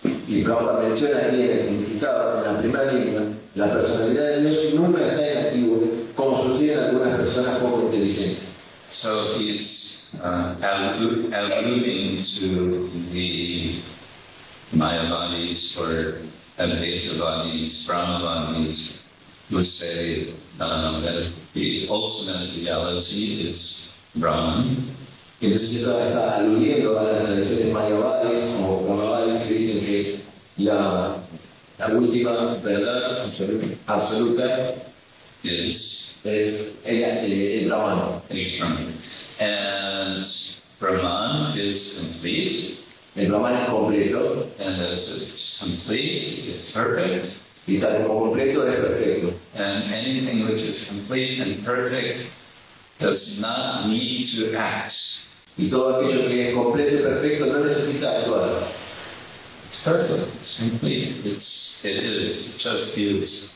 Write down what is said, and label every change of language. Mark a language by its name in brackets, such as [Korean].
[Spanish] Y Prabhupada menciona ahí en el significado, en la primera línea, la personalidad de Dios nunca está inactivo, como sugieren algunas personas poco inteligentes. [English] So he's alluding to the Mayavadis or Advaitavadis, Brahmavadis, who say that the ultimate reality is Brahman. [Spanish] Entonces esto está aludiendo a las tradiciones mayavadis o brahmavadis que dicen que la última verdad absoluta es el Brahman. [English] And Brahman is complete. [Spanish] El Brahman es completo. [English] And as it's complete, it's perfect. [Spanish] Y tal como completo es perfecto. [English] And anything which is complete and perfect does not need to act. [Spanish] Y todo aquello que es completo y perfecto no necesita actuar. [English] It's perfect, it's complete, it is, it just is.